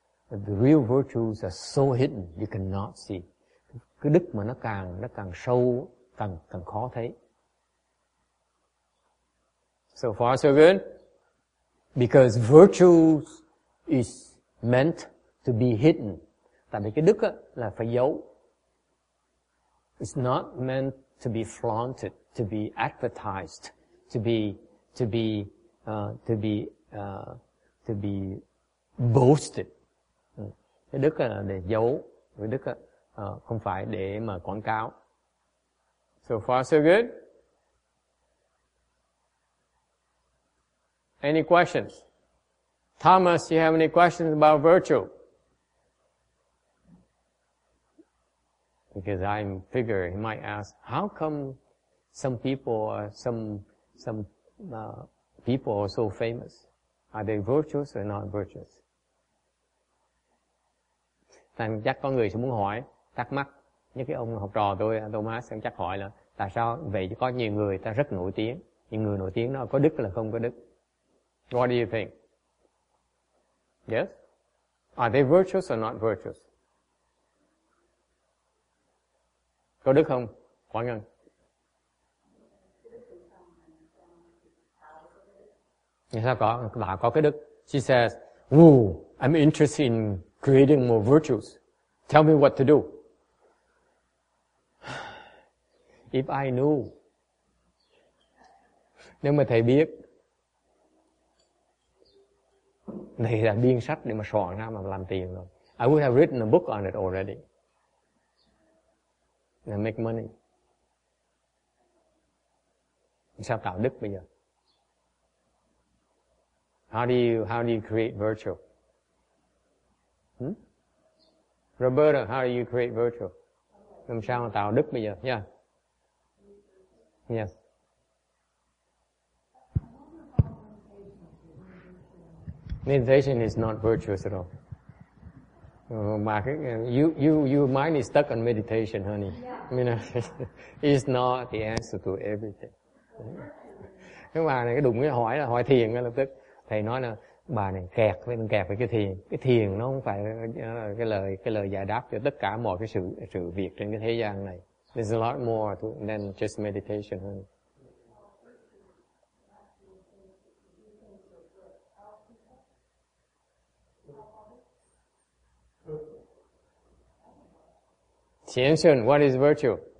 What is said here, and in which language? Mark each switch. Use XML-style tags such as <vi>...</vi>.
<en>The real virtues are so hidden, you cannot see.</en> <vi>Cái đức mà nó càng sâu, càng khó thấy.</vi> <en>So far, so good. Because virtue is meant to be hidden.</en> <vi>Tại vì cái đức là phải giấu.</vi> <en>It's not meant to be flaunted, to be advertised, to be boasted.</en> <vi>Cái đức là để giấu. Cái đức không phải để mà quảng cáo.</vi> <en>So far, so good. Any questions? Thomas, you have any questions about virtue? Because I figure he might ask, how come some people are so famous? Are they virtuous or not virtuous?</en> <vi>Thành chắc có người sẽ muốn hỏi, thắc mắc. Như cái ông học trò tôi, Thomas, sẽ chắc hỏi là tại sao vậy chứ có nhiều người ta rất nổi tiếng. Những người nổi tiếng đó có đức là không có đức.</vi> <en>What do you think? Yes? Are they virtuous or not virtuous?</en> <vi>Có đức không? Quả ngân. Thì sao có? Bà có cái đức.</vi> <en>She says, "Ooh, I'm interested in creating more virtues. Tell me what to do." If I knew.</en> <vi>Nếu mà thầy biết. Thầy đã biên sách để mà soạn ra mà làm tiền rồi.</vi> <en>I would have written a book on it already. And make money.</en> <vi>Sao tạo đức bây giờ?</vi> <en>How do you create virtue? Roberta, how do you create virtue?</en> <vi>Làm sao mà tạo đức bây giờ?</vi> <en>Yeah. Yes. Meditation is not virtuous at all. Your mind is stuck on meditation, honey. Yeah. You know, it's not the answer to everything.</en> <vi>Cái bà này cái đụng cái hỏi là hỏi thiền ngay lập tức. Thầy nói là bà này kẹt với cái thiền nó không phải cái lời giải đáp cho tất cả mọi cái sự việc trên cái thế gian này.</vi> <en>There's a lot more than just meditation, honey. Qianshen, what is virtue?</en>